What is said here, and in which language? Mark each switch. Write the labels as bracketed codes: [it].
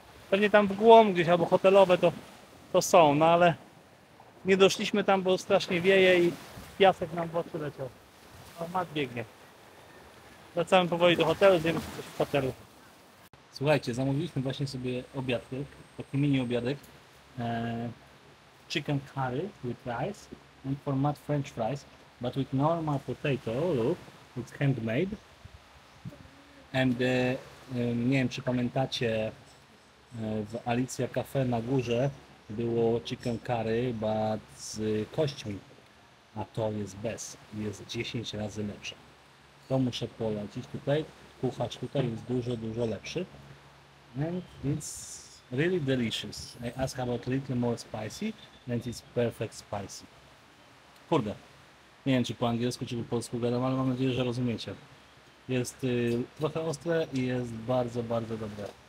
[pl] Pewnie tam w głąb gdzieś, albo hotelowe to są, no ale nie doszliśmy tam, bo strasznie wieje i piasek nam w oczy leciał. O, mat biegnie. Wracamy powoli do hotelu, zjemy coś w hotelu. Słuchajcie, zamówiliśmy właśnie sobie obiadek, taki mini obiadek. [en] Chicken curry with rice and for mat french fries, but with normal potato, look, it's handmade. [pl] And nie wiem, czy pamiętacie, w Alicja Cafe na górze było chicken curry, but z kośćmi, a to jest bez, jest 10 razy lepsze. To muszę polecić tutaj, kucharz tutaj jest dużo, dużo lepszy. [en] And it's really delicious. I ask about little more spicy, and it's perfect spicy. [pl] Kurde, nie wiem czy po angielsku, czy po polsku gadam, ale mam nadzieję, że rozumiecie. Jest trochę ostre i jest bardzo, bardzo dobre.